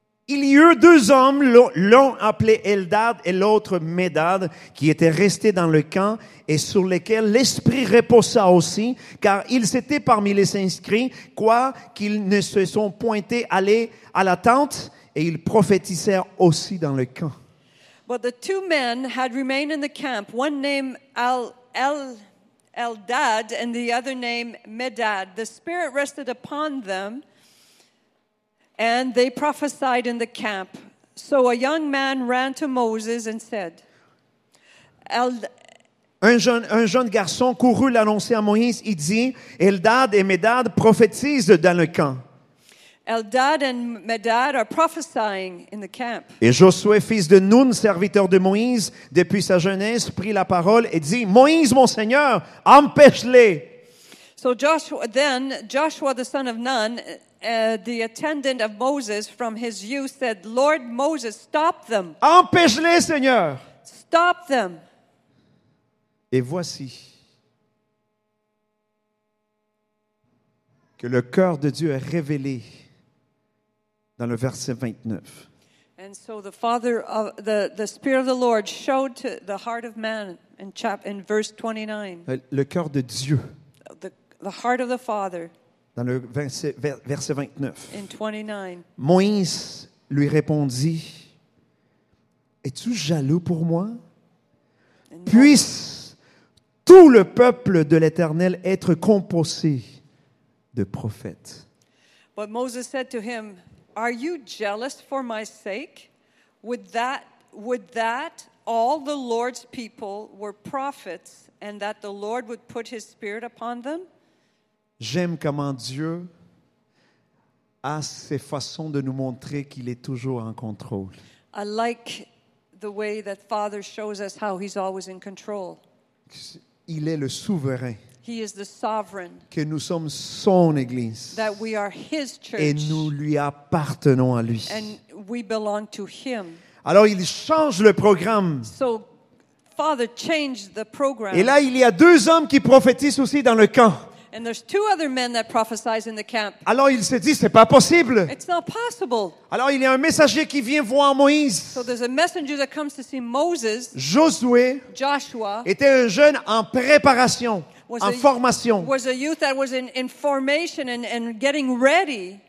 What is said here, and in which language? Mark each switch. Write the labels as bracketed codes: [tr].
[fr] Il y eut deux hommes, l'un appelé Eldad et l'autre Médad, qui étaient restés dans le camp et sur lesquels l'Esprit reposa aussi, car ils étaient parmi les inscrits, quoiqu'ils ne se sont pointés aller à la tente, et ils prophétisèrent aussi dans le camp. [en] But the two men had remained in the camp, one named Eldad and the other named Medad. The Spirit rested upon them, and they prophesied in the camp. So a young man ran to Moses and said, [fr] Un jeune garçon courut l'annoncer à Moïse. Il dit, Eldad et Medad prophétisent dans le camp. [en] Eldad and Medad are prophesying in the camp. [fr] Et Josué, fils de Nun, serviteur de Moïse, depuis sa jeunesse, prit la parole et dit, Moïse, mon Seigneur, empêche-les. [en] So Joshua, the son of Nun, the attendant of Moses from his youth, said, Lord Moses, stop them. [fr] Empêche-les, Seigneur. [en] Stop them. [fr] Et voici que le cœur de Dieu est révélé dans le verset 29. [en] And so the Father of the Spirit of the Lord showed to the heart of man in verse 29. [fr] Le cœur de Dieu. [en] The heart of the Father. [fr] Dans le verset 29. [en] In 29. [fr] Moïse lui répondit, es-tu jaloux pour moi? Puisse tout le peuple de l'Éternel être composé de prophètes. [en] But Moses said to him, are you jealous for my sake? Would that all the Lord's people were prophets and that the Lord would put his spirit upon them? [fr] J'aime comment Dieu a ses façons de nous montrer qu'il est toujours en contrôle. [en] I like the way that Father shows us how he's always in control. [fr] Il est le souverain. [en] He is the sovereign. [fr] Que nous sommes son église. [en] That we are his church. [fr] Et nous lui appartenons à lui. [en] And we belong to him. [fr] Alors il change le programme. [en] So Father changed the program. [fr] Et là il y a deux hommes qui prophétisent aussi dans le camp. [en] And there's two other men that prophesy in the camp. [fr] Alors il se dit, c'est pas possible. [en] It's not possible. [fr] Alors il y a un messager qui vient voir Moïse. [en] So there's a messenger that comes to see Moses. [fr] Josué. [en] Joshua. [fr] Était un jeune en préparation, en formation. [en] Was a youth that was in formation and getting ready.